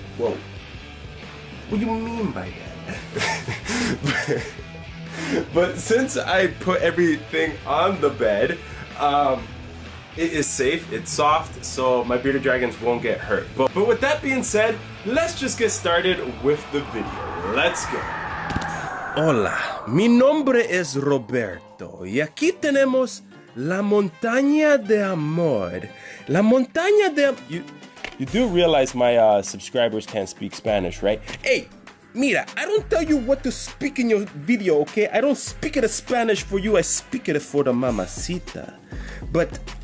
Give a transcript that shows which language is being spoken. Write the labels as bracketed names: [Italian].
[English] Whoa. What do you mean by that? But since I put everything on the bed, it is safe, it's soft, so my Bearded Dragons won't get hurt. But with that being said, let's just get started with the video. Let's go. [Spanish] Hola, mi nombre es Roberto, y aquí tenemos la montaña de amor. La montaña de amor. [English] You do realize my subscribers can't speak Spanish, right? Hey, mira, I don't tell you what to speak in your video, okay? I don't speak it in Spanish for you, I speak it for the mamacita. But...